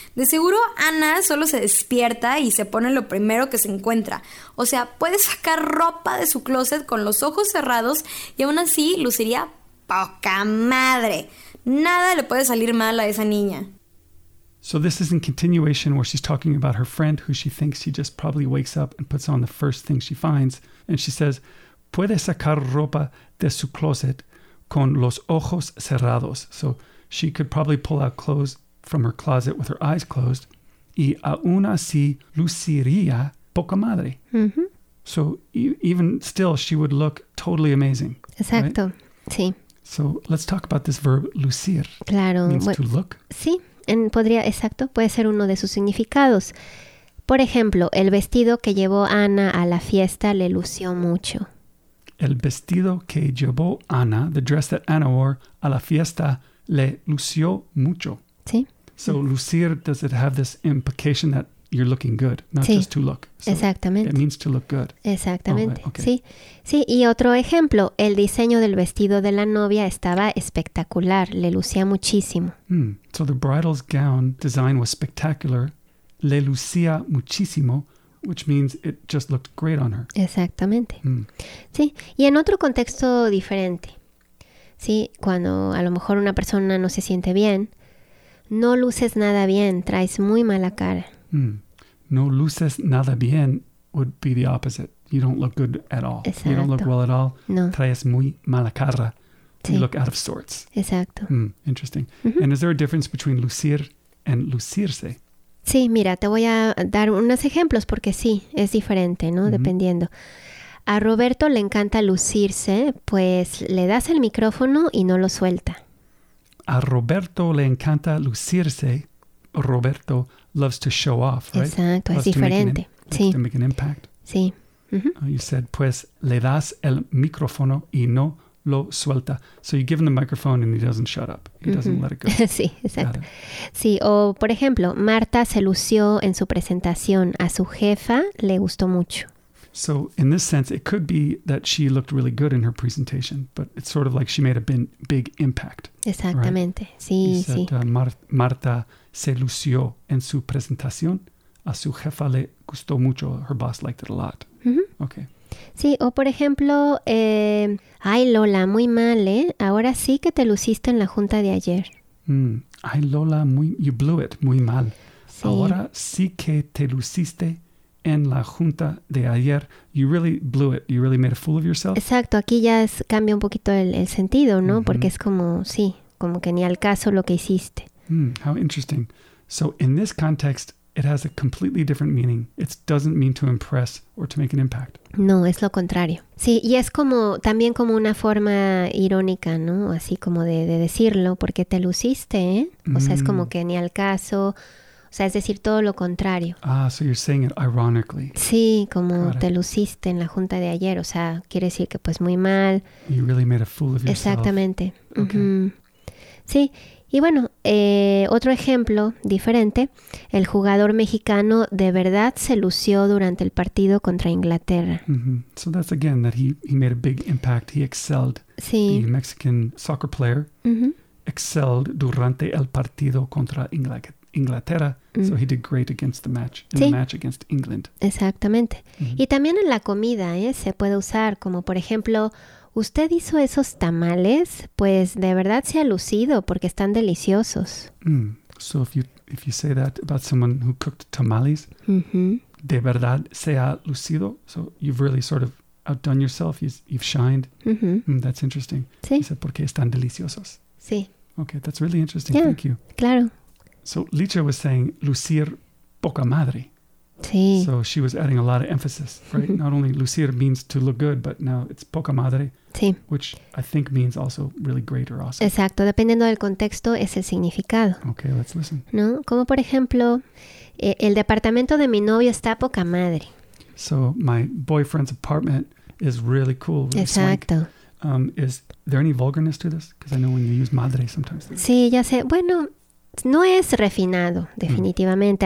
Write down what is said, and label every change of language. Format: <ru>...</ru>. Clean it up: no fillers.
<es>De seguro Ana solo se despierta y se pone lo primero que se encuentra. O sea, puede sacar ropa de su closet con los ojos cerrados y aún así luciría poca madre. Nada le puede salir mal a esa niña.</es> <en>So this is in continuation where she's talking about her friend who she thinks she just probably wakes up and puts on the first thing she finds. And she says,</en> <es>puede sacar ropa de su closet con los ojos cerrados.</es> <en>So she could probably pull out clothes from her closet with her eyes closed.</en> <es>Y aún así luciría poca madre. Mm-hmm.</es> <en>So even still, she would look totally amazing.</en> <es>Exacto. Right? Sí.</es> <en>So let's talk about this verb lucir.</en> <es>Claro.</es> <en>Means to look.</en> <es>Sí. Exacto. Puede ser uno de sus significados. Por ejemplo, el vestido que llevó Ana a la fiesta le lució mucho. El vestido que llevó Ana,</es> <en>the dress that Anna wore,</en> <es>a la fiesta, le lució mucho. Sí.</es> <en>So, lucir, does it have this implication that you're looking good, not</en> <es>sí.</es> <en>just to look? So</en> <es>exactamente.</es> <en>It means to look good.</en> <es>Exactamente.</es> <en>Oh, okay.</en> <es>Sí. Sí, y otro ejemplo, el diseño del vestido de la novia estaba espectacular, le lucía muchísimo. Hmm.</es> <en>So, the bridal's gown design was spectacular,</en> <es>le lucía muchísimo.</es> <en>Which means it just looked great on her.</en> <es>Exactamente. Mm. Sí, y en otro contexto diferente. Sí, cuando a lo mejor una persona no se siente bien, no luces nada bien, traes muy mala cara.</es> <en>Mm.</en> <es>No luces nada bien</es> <en>would be the opposite. You don't look good at all.</en> <es>Exacto.</es> <en>You don't look well at all.</en> <es>No. Traes muy mala cara. Sí.</es> <en>You look out of sorts.</en> <es>Exacto.</es> <en>Mm. Interesting. Mm-hmm. And is there a difference between lucir and lucirse?</en> <es>Sí, mira, te voy a dar unos ejemplos porque sí, es diferente, ¿no? Mm-hmm. Dependiendo. A Roberto le encanta lucirse, pues le das el micrófono y no lo suelta. A Roberto le encanta lucirse.</es> <en>Roberto loves to show off, right?</en> <es>Exacto, es diferente. Sí.</es> <en>To make an impact.</en> <es>Sí. Mm-hmm.</es> <en>You said,</en> <es>pues le das el micrófono y no lo suelta.</es> <en>So you give him the microphone and he doesn't shut up. He mm-hmm. doesn't let it go.</en> <es>Sí, exacto. Sí, o por ejemplo, Marta se lució en su presentación. A su jefa le gustó mucho.</es> <en>So in this sense, it could be that she looked really good in her presentation, but it's sort of like she made a big impact.</en> <es>Exactamente.</es> <en>Right?</en> <es>Sí,</es> <en>you said,</en> <es>sí. Marta se lució en su presentación. A su jefa le gustó mucho.</es> <en>Her boss liked it a lot. Mm-hmm. Okay.</en> <es>Sí, o por ejemplo, ay Lola, muy mal, ¿eh? Ahora sí que te luciste en la junta de ayer.</es> <en>Mm.</en> <es>Ay Lola,</es> <en>you blew it,</en> <es>muy mal. Sí. Ahora sí que te luciste en la junta de ayer.</es> <en>You really blew it, you really made a fool of yourself.</en> <es>Exacto, aquí ya cambia un poquito el sentido, ¿no? Mm-hmm. Porque es como, sí, como que ni al caso lo que hiciste.</es> <en>Mm. How interesting. So in this context, it has a completely different meaning. It doesn't mean to impress or to make an impact.</en> <es>No, es lo contrario. Sí, y es como también como una forma irónica, ¿no? Así como de decirlo, porque te luciste, ¿eh? O sea, es como que ni al caso. O sea, es decir todo lo contrario.</es> <en>Ah, so you're saying it ironically.</en> <es>Sí, como te luciste en la junta de ayer. O sea, quiere decir que pues muy mal.</es> <en>You really made a fool of yourself.</en> <es>Exactamente.</es> <en>Okay. Mm-hmm.</en> <es>Sí. Y bueno, otro ejemplo diferente, el jugador mexicano de verdad se lució durante el partido contra Inglaterra. Mm-hmm.</es> <en>So that's again that he made a big impact, he excelled.</en> <es>Sí.</es> <en>The Mexican soccer player mm-hmm.</en> <es>excelled durante el partido contra Inglaterra. Mm-hmm.</es> <en>So he did great against the match, in</en> <es>sí.</es> <en>the match against England.</en> <es>Exactamente. Mm-hmm. Y también en la comida, se puede usar como por ejemplo... ¿Usted hizo esos tamales? Pues de verdad se ha lucido porque están deliciosos. Mm.</es> <en>So if you say that about someone who cooked tamales, mm-hmm.</en> <es>de verdad se ha lucido.</es> <en>So you've really sort of outdone yourself. You've shined. Mm-hmm. That's interesting.</en> <es>Sí.</es> <en>You said,</en> <es>porque están deliciosos. Sí.</es> <en>Okay, that's really interesting. Yeah. Thank you.</en> <es>Claro.</es> <en>So Licha was saying</en> <es>lucir poca madre. Sí.</es> <en>So she was adding a lot of emphasis, right? Not only lucir means to look good, but now it's poca madre,</en> <es>sí.</es> <en>which I think means also really great or awesome.</en> <es>Exacto. Dependiendo del contexto, es el significado.</es> <en>Okay, let's listen.</en> <es>¿No? Como por ejemplo, el departamento de mi novio está poca madre.</es> <en>So my boyfriend's apartment is really cool. Really</en> <es>Exacto.</es> <en>Is there any vulgarness to this? Because I know when you use madre sometimes.</en> <es>Sí, ya sé. Bueno, no es refinado, definitivamente.</es>